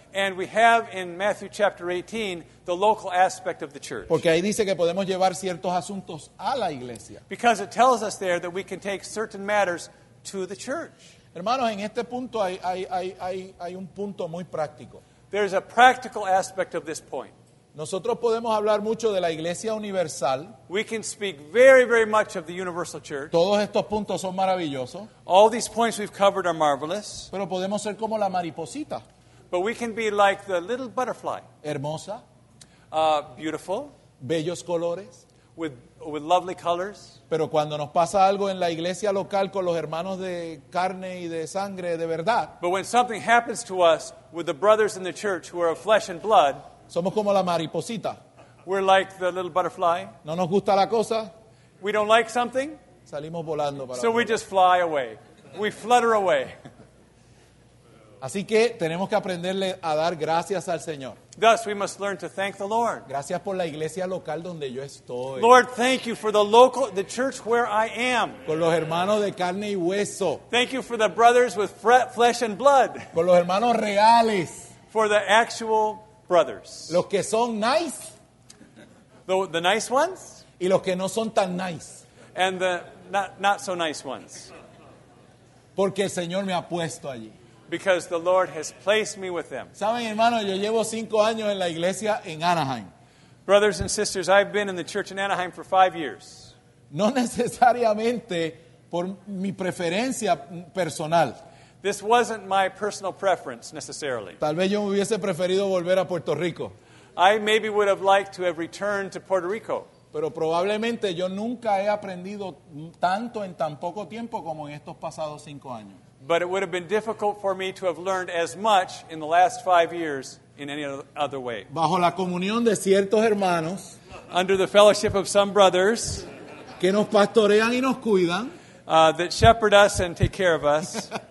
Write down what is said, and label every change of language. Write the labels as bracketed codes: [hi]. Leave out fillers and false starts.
[en] And we have in Matthew chapter 18 the local aspect of the church. [es] Porque ahí dice que podemos llevar ciertos asuntos a la iglesia. [en] Because it tells us there that we can take certain matters to the church. [es] Hermanos, en este punto hay un punto muy práctico. [en] There's a practical aspect of this point. [es] Nosotros podemos hablar mucho de la iglesia universal. [en] We can speak very, very much of the universal church. [es] Todos estos puntos son maravillosos. [en] All these points we've covered are marvelous. [es] Pero podemos ser como la mariposita. [en] But we can be like the little butterfly. [es] Hermosa. [en] Beautiful. [es] Bellos colores. [en] with lovely colors. [es] Pero cuando nos pasa algo en la iglesia local con los hermanos de carne y de sangre de verdad. [en] But when something happens to us with the brothers in the church who are of flesh and blood. [es] Somos como la mariposita. [en] We're like the little butterfly. [es] No nos gusta la cosa. [en] We don't like something. [es] Salimos volando para [en] so we just fly away. We flutter away. [es] Así que tenemos que aprenderle a dar gracias al Señor. [en] Thus, we must learn to thank the Lord. [es] Gracias por la iglesia local donde yo estoy. [en] Lord, thank you for the local, the church where I am. [es] Con los hermanos de carne y hueso. [en] Thank you for the brothers with flesh and blood. [es] Con los hermanos reales. [en] For the actual brothers. [es] Los que son nice. [en] The nice ones. [es] Y los que no son tan nice. [en] And the not so nice ones. [es] Porque el Señor me ha puesto allí. [en] Because the Lord has placed me with them. [es] ¿Saben, hermano? Yo llevo 5 años en la iglesia en Anaheim. [en] Brothers and sisters, I've been in the church in Anaheim for 5 years. [es] No necesariamente por mi preferencia personal. [en] This wasn't my personal preference, necessarily. [es] Tal vez yo hubiese preferido volver a Puerto Rico. [en] I maybe would have liked to have returned to Puerto Rico. [es] Pero probablemente yo nunca he aprendido tanto en tan poco tiempo como en estos pasados 5 años. [en] But it would have been difficult for me to have learned as much in the last 5 years in any other way. [es] Bajo la comunión de ciertos hermanos, [en] under the fellowship of some brothers, [es] que nos pastorean y nos cuidan, [en] that shepherd us and take care of us,